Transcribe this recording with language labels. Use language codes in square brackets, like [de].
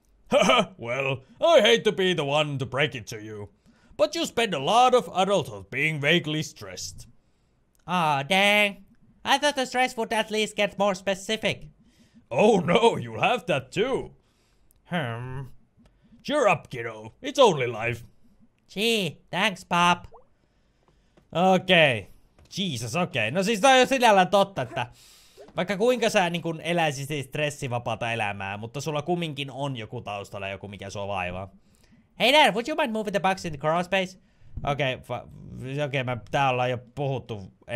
[en] Haha, well, I hate to be the one to break it to you, but you spend a lot of adulthood being vaguely stressed. Aw, dang. I thought the stress would at least get more specific. Oh no, you'll have that too. Hmm. Cheer up, kiddo. It's only life. Gee, thanks, Pop. Okei. Okay. Jesus, okei. [fi] Okay. No siis toi on sinällään totta, että vaikka kuinka sä niin kun eläisit stressivapaata elämää, mutta sulla kumminkin on joku taustalla joku, mikä sua vaivaa. [en] Hey Dad, would you mind moving the box in the crawl space? [fi] Okei, okay, okay, tää ollaan jo puhuttu.